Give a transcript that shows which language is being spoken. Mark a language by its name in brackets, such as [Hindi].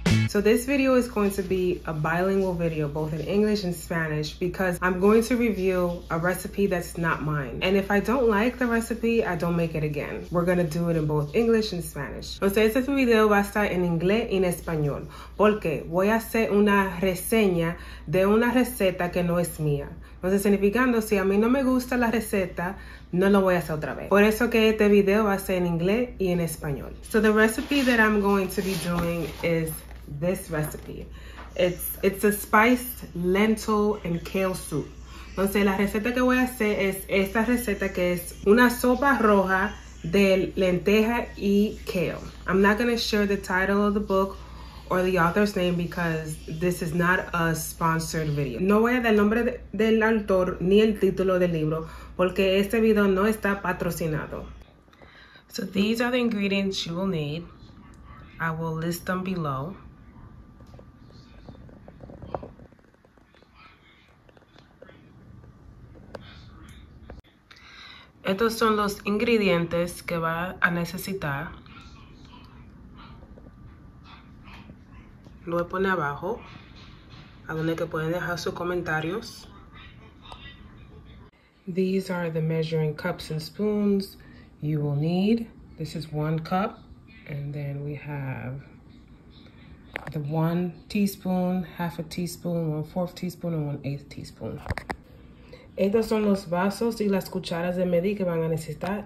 [English] So this video is going to be a bilingual video, both in English and Spanish, because I'm going to review a recipe that's not mine. And if I don't like the recipe, I don't make it again. We're gonna do it in both English and Spanish. [Spanish] Entonces este video va a estar en inglés y en español, porque voy a hacer una reseña de una receta que no es mía. Entonces significando, si a mí no me gusta la receta, no lo voy a hacer otra vez. Por eso que este video va a ser en inglés y en español. [English] So the recipe that I'm going to be doing is this recipe. It's a spiced lentil and kale soup. [Spanish] Entonces la receta que voy a hacer es esta receta que es una sopa roja de lenteja y kale. [English] I'm not going to share the title of the book or the author's name because this is not a sponsored video. [Spanish] No voy a dar el nombre del autor ni el título del libro porque este video no está patrocinado. [English] So these are the ingredients you will need. I will list them below. [Spanish] Estos son los ingredientes que va a necesitar. Lo voy a poner abajo, a donde que pueden dejar sus comentarios. [English] These are the measuring cups and spoons you will need. This is 1 cup, and then we have the 1 teaspoon, 1/2 teaspoon, 1/4 teaspoon, and 1/8 teaspoon. [Spanish] Estos son los vasos y las cucharas de medir que van a necesitar.